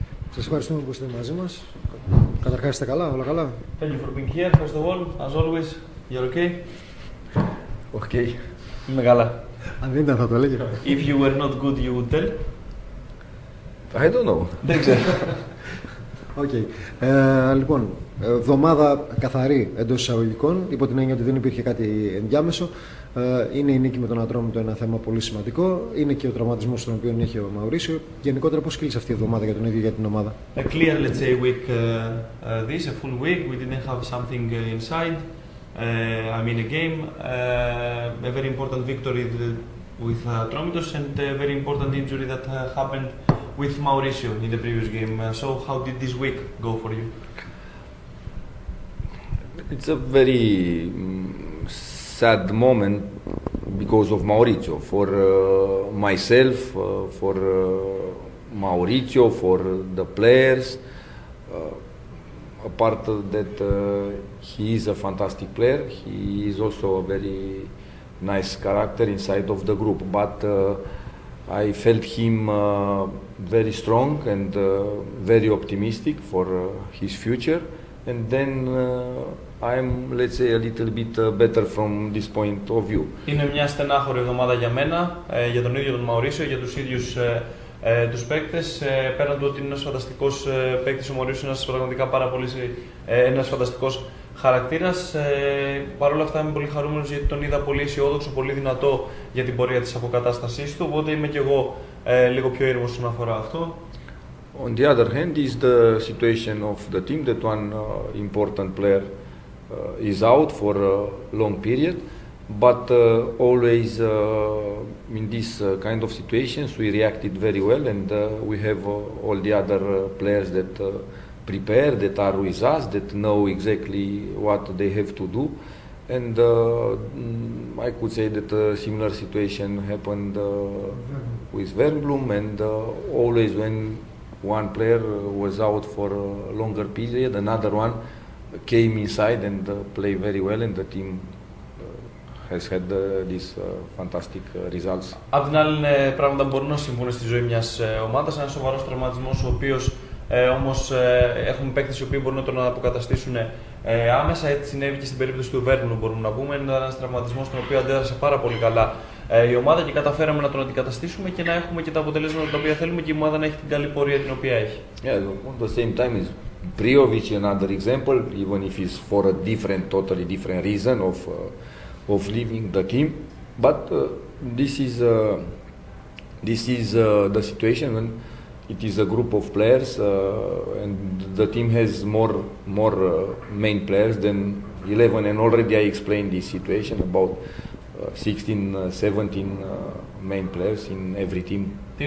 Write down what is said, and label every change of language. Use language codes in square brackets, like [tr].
[el] Σας ευχαριστούμε που είστε μαζί μας. Καταρχάς είστε καλά, όλα καλά. [en] Thank you for being here, first of all. As always, you're okay. Okay. [el] Είμαι καλά. Αν δεν ήταν θα το έλεγε. [en] If you were not good, you would tell. I don't know. [el] Δεν ξέρω. [en] Okay. [el] Λοιπόν, εβδομάδα καθαρή εντός εισαγωγικών, υπό την έννοια ότι δεν υπήρχε κάτι ενδιάμεσο. Είναι η νίκη με τον Ατρόμητο ένα θέμα πολύ σημαντικό. Είναι και ο τραυματισμός τον οποίο έχει ο Μαουρίσιο. Γενικότερα, πώς κύλησε αυτή η εβδομάδα για τον ίδιο για την ομάδα? [en] A clear, let's say, week this, a full week. We didn't have something inside. I mean, a game. A very important victory with Ατρόμητος and a very important injury that happened with Mauricio in the previous game. So how did this week go for you? It's a very sad moment because of Mauricio, for myself, for Mauricio, for the players. Apart that he is a fantastic player, he is also a very nice character inside of the group, but I felt him very strong and very optimistic for his future, and then I'm, let's say, a little bit better from this point of view. [el] Είναι μια στενάχωρη εβδομάδα για μένα, για τον ίδιο τον Μαουρίσιο, για τους ίδιους τους παίκτες. Πέραν του ότι είναι ένας φανταστικός παίκτης ο Μαουρίσιο, είναι πραγματικά πάρα πολύ ένας φανταστικός χαρακτήρας. Παρ' όλα αυτά είμαι πολύ χαρούμενος γιατί τον είδα πολύ αισιόδοξο, πολύ δυνατό για την πορεία της αποκατάστασής του, οπότε είμαι και εγώ λίγο πιο ήρεμος όσον αφορά αυτό. [en] On the other hand is the situation of the team, that one important player is out for a long period, but always in this kind of situations we reacted very well, and we have all the other players that prepare, that are with us, that know exactly what they have to do, and I could say that a similar situation happened with Wernbloom, and always when one player was out for a longer period, another one came inside and played very well, and the team has had these fantastic results. [el] Απ' την άλλη, πράγματα μπορούν να συμβούν στη ζωή μιας ομάδας, ένας σοβαρός τραυματισμός ο οποίος όμως έχουν παίκτες οι οποίοι μπορούν να τον αποκαταστήσουν άμεσα. Έτσι συνέβη και στην περίπτωση του Βέρνου, μπορούμε να πούμε. Είναι ένας τραυματισμός τον οποίο αντέδρασε πάρα πολύ καλά η ομάδα και καταφέραμε να τον αντικαταστήσουμε και να έχουμε και τα αποτελέσματα τα οποία θέλουμε και η ομάδα να έχει την καλή πορεία την οποία έχει. [en] Yeah, at the same time is Priovic another example, even if it's for a different, totally different reason of leaving the team. But this is the situation when it is a group of players and the team has more main players than 11, and already I explained this situation about 16-17 main players in every team.